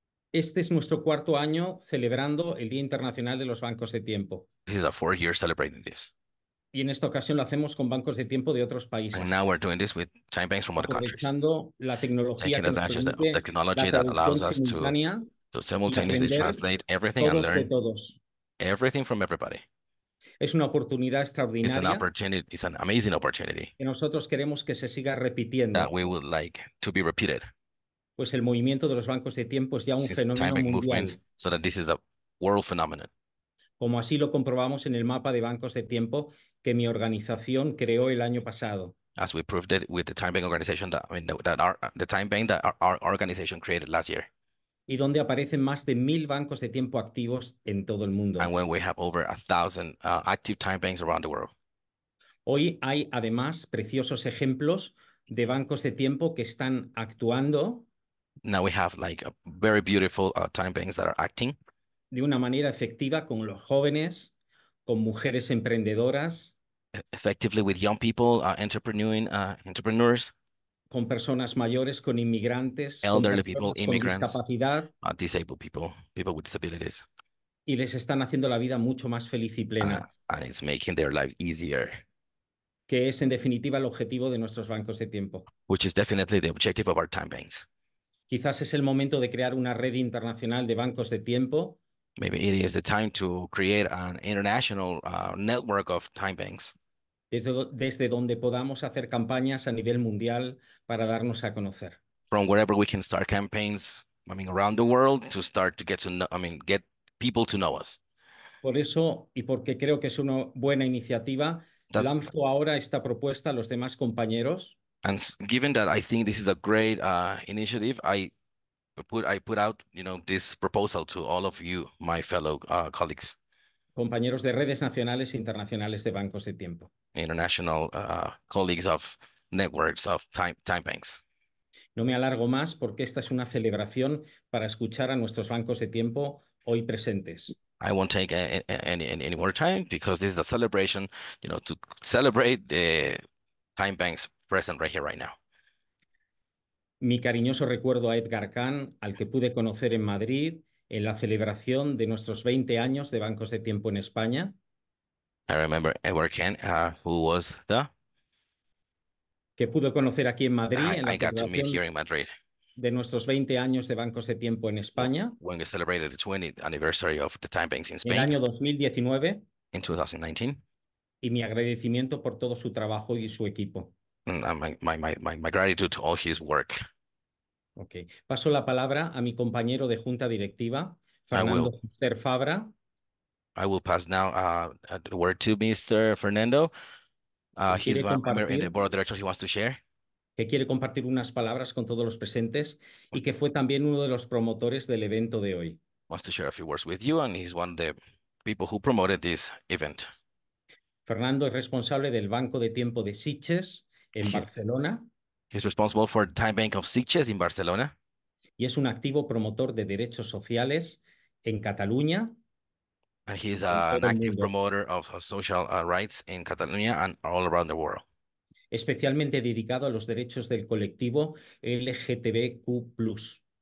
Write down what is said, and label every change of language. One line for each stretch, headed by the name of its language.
Spanish: Este es nuestro cuarto año celebrando el Día Internacional de los Bancos de Tiempo.
English: This is a 4-year celebrating this.
Spanish: Y en esta ocasión lo hacemos con bancos de tiempo de otros países.
English: And now we're doing this with time banks from other countries.
Spanish: Aprovechando la tecnología que nos permite
English: the technology that allows us to simultaneously translate everything and learn everything from everybody.
Spanish: Es una oportunidad extraordinaria.
English: It's an opportunity. It's an amazing opportunity.
Spanish: Que nosotros queremos que se siga repitiendo.
English: That we would like to be repeated.
Spanish: Pues el movimiento de los bancos de tiempo es ya un fenómeno mundial.
English: So that this is a world phenomenon.
Spanish: Como así lo comprobamos en el mapa de bancos de tiempo que mi organización creó el año pasado.
English: As we proved it with the Time Bank organization that our organization created last year.
Spanish: Y donde aparecen más de 1,000 bancos de tiempo activos en todo el mundo.
English: And when we have over 1,000 active time banks around the world.
Spanish: Hoy hay además preciosos ejemplos de bancos de tiempo que están actuando.
English: Now we have like a very beautiful time banks that are acting.
Spanish: De una manera efectiva con los jóvenes, con mujeres emprendedoras.
English: Effectively with young people, entrepreneurs.
Spanish: Con personas mayores, con inmigrantes.
English: Elderly people, immigrants.
Spanish: Con discapacidad.
English: Disabled people, people with disabilities.
Spanish: Y les están haciendo la vida mucho más feliz y plena.
English: And it's making their life easier.
Spanish: Que es en definitiva el objetivo de nuestros bancos de tiempo.
English: Which is definitely the objective of our time banks.
Spanish: Quizás es el momento de crear una red internacional de bancos de tiempo.
English: Maybe it is the time to create an international network of time banks.
Spanish: Desde donde podamos hacer campañas a nivel mundial para darnos a conocer.
English: From wherever we can start campaigns, I mean, around the world to start to get to know, I mean, get people to know us.
Spanish: Por eso y porque creo que es una buena iniciativa, lanzo ahora esta propuesta a los demás compañeros.
English: And given that I think this is a great initiative, I put out, you know, this proposal to all of you, my fellow colleagues.
Spanish: Compañeros de redes nacionales e internacionales de bancos de tiempo.
English: International colleagues of networks of time banks.
Spanish: No me alargo más porque esta es una celebración para escuchar a nuestros bancos de tiempo hoy presentes.
English: I won't take any more time because this is a celebration, you know, to celebrate the time banks present right here, right now.
Spanish: Mi cariñoso recuerdo a Edgar Kahn, al que pude conocer en Madrid en la celebración de nuestros 20 años de bancos de tiempo en España.
English: I remember Edgar Kahn, who was the...
Spanish: Que pude conocer aquí en Madrid en la
English: celebración to meet here in Madrid.
Spanish: De nuestros 20 años de bancos de tiempo en España.
English: When we celebrated the 20th anniversary of the time banks in Spain.
Spanish: En el año 2019.
English: In 2019.
Spanish: Y mi agradecimiento por todo su trabajo y su equipo.
English: My gratitude to all his work. Okay.
Spanish: Paso la palabra a mi compañero de junta directiva, Fernando Juster Fabra.
English: I will pass now the word to Mr. Fernando. He's a member in the board of directors. He wants to share.
Spanish: Que quiere compartir unas palabras con todos los presentes y que fue también uno de los promotores del evento de hoy.
English: Wants to share a few words with you, and he's one of the people who promoted this event.
Spanish: Fernando es responsable del Banco de Tiempo de Sitges. Barcelona.
English: He's responsible for the Time Bank of Sitges in Barcelona.
Spanish: Y es un activo promotor de derechos sociales en Cataluña.
English: And he's an active promoter of social rights in Catalonia and all around the world.
Spanish: Especialmente dedicado a los derechos del colectivo LGTBQ+.